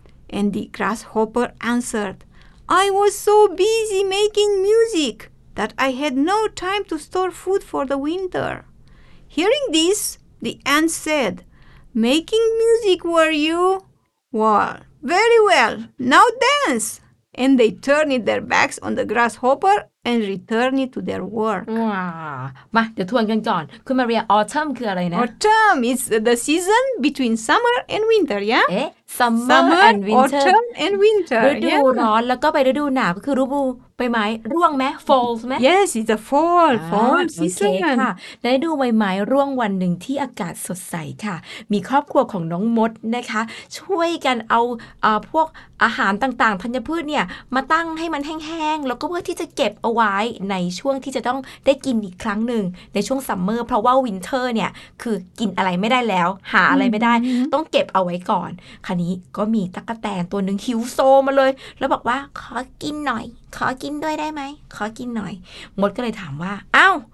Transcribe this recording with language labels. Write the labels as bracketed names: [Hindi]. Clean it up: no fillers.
[English] And the grasshopper answered, I was so busy making music that I had no time to store food for the winter. Hearing this, the ant said, Making music, were you? Well, very well, now dance! And they turned their backs on the grasshopper and returned it to their work. [Thai] มาเดี๋ยวทวนกันก่อนคุณมาเรีย autumn คืออะไรนะ [English] autumn is the season between summer and winter yeah summer and winter autumn and winter [Thai] ฤดูร้อนแล้วก็ไปฤดูหนาวก็คือฤดูใบไม้ร่วงไหม fall ไหม [English] yes it's a fall season [Thai] ค่ะในฤดูใบไม้ร่วงวันหนึ่งที่อากาศสดใสค่ะมีครอบครัวของน้องมดนะคะช่วยกันเอาพวกอาหารต่างๆธัญพืชเนี่ยมาตั้งให้มันแห้งๆแล้วก็เพื่อที่จะเก็บเอาไว้ในช่วงที่จะต้องได้กินอีกครั้งนึงในช่วงซัมเมอร์เพราะว่าวินเทอร์เนี่ยคือกินอะไรไม่ได้แล้วหาอะไรไม่ได้ต้องเก็บเอาไว้ก่อนคราวนี้ก็มีตั๊กแตนตัวนึงหิวโซมาเลยแล้วบอกว่าขอกินหน่อยขอกินด้วยได้ไหมขอกินหน่อยมดก็เลยถามว่าเอ้า